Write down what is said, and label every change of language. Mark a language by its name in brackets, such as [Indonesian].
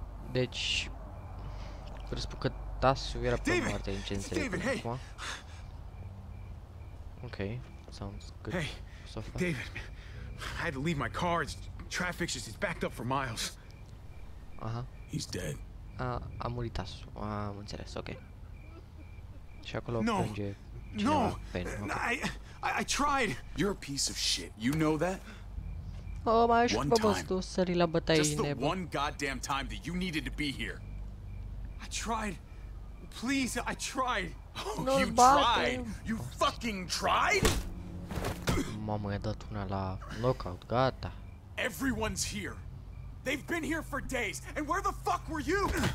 [Romanian] Deci vreau să spun că Tasu era pe moarte în genul ăsta. [English] Hey. Ok, sounds good. Hey, so far. David, I had to leave my car. It's traffic, it's backed up for miles. Aha. He's dead. [Romanian] A murit Tasu. Am înțeles, ok. Și acolo plânge. [English] No. Pen, okay. I tried. You're a piece of shit. You know that? [Romanian] Oh, mai ești prost tu, sări la bătaie. [English] Just the one goddamn time that you needed to be here. I tried. Please, I tried. Oh, you tried. You fucking tried? [Romanian] Mamă, i-a dat una la knockout, gata. [English] Everyone's here. They've been here for days. And where the fuck were you?